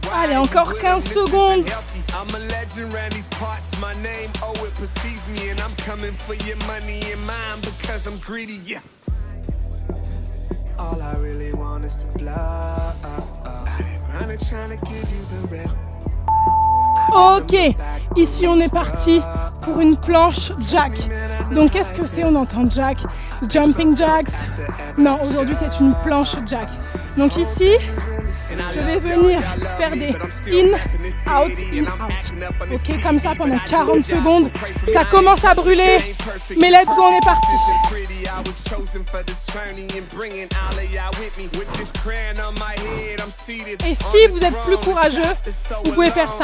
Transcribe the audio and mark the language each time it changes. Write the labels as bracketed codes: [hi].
[fr] wine. Allez, encore 15 secondes. [en] I'm a legend around these parts, my name, oh, it precedes me. And I'm coming for your money and mine because I'm greedy, yeah. All I really want is to blow. I'm running, trying to give you the real. [fr] Ok, ici on est parti pour une planche Jack. Donc qu'est-ce que c'est? On entend Jack, Jumping Jacks. Non, aujourd'hui c'est une planche Jack. Donc ici, je vais venir faire des in, out, in, out. Ok, comme ça pendant 40 secondes. Ça commence à brûler, mais [en] let's go, [fr] on est parti. [en] I was chosen for this journey and bringing all of y'all with me. With this crown on my head, I'm seated. [fr] Et si vous êtes plus courageux, vous pouvez faire ça.